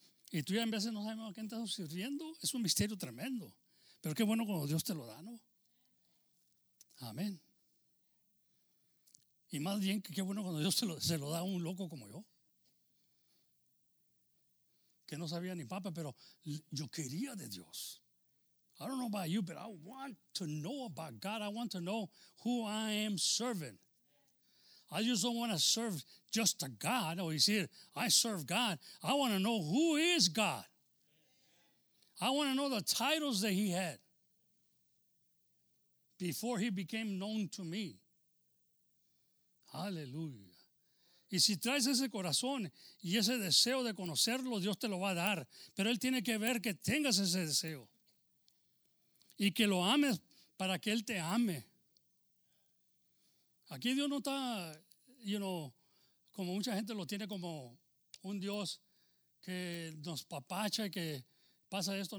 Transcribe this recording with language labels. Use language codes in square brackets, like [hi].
[es] Y tú ya en veces no sabes a quién estás sirviendo. Es un misterio tremendo. Pero qué bueno cuando Dios te lo da, ¿no? Amén. Y más bien, qué bueno cuando Dios se lo da a un loco como yo. Que no sabía ni papa, pero yo quería de Dios. [en] I don't know about you, but I want to know about God. I want to know who I am serving. I just don't want to serve just a God. Or you see, I serve God. I want to know who is God. I want to know the titles that he had before he became known to me. [es] Aleluya. Y si traes ese corazón y ese deseo de conocerlo, Dios te lo va a dar. Pero él tiene que ver que tengas ese deseo. Y que lo ames para que él te ame. Aquí Dios no está, [en] you know, [es] como mucha gente lo tiene como un Dios que nos papacha y que pasa esto.